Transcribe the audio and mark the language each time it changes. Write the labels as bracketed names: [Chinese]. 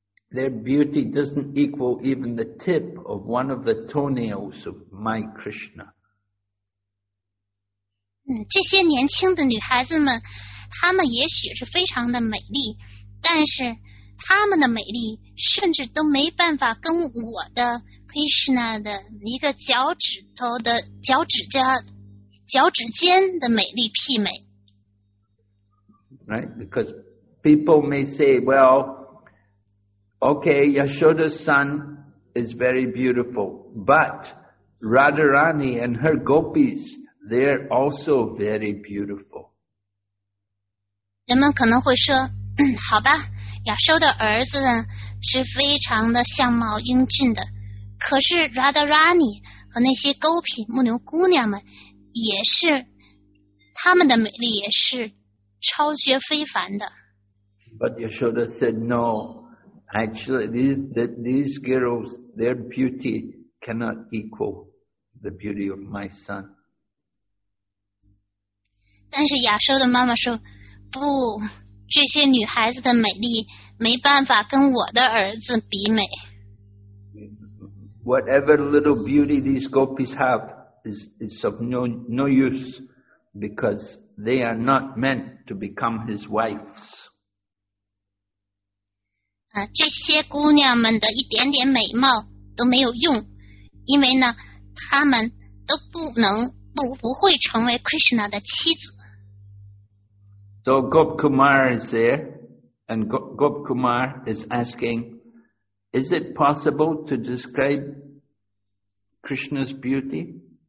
[English] Their beauty doesn't equal even the tip of one of the toenails of my Krishna. [Chinese] 这些年轻的女孩子们，她们也许是非常的美丽，但是她们的美丽甚至都没办法跟我的 Krishna 的一个脚趾头的脚趾尖的美丽媲美。 [English] Right, because. People may say, well, okay, Yashoda's son is very beautiful, but Radharani and her gopis, they're also very beautiful. [Chinese] 人们可能会说，好吧，亚修的儿子是非常的相貌英俊的，可是 Radharani 和那些 gopi 牧牛姑娘们也是，她们的美丽也是超绝非凡的。 [English] But Yashoda said, no, actually, these girls, their beauty cannot equal the beauty of my son. [Chinese] 但是亚修的妈妈说，不，这些女孩子的美丽没办法跟我的儿子比美。 [English] Whatever little beauty these gopis have is of no use because they are not meant to become his wives. [Chinese] 这些姑娘们的一点点美貌都没有用，因为呢，她们都不会成为 Krishna 的妻子。 [English] So Gop Kumar is there, and Gop Kumar is asking, "Is it possible to describe Krishna's beauty?"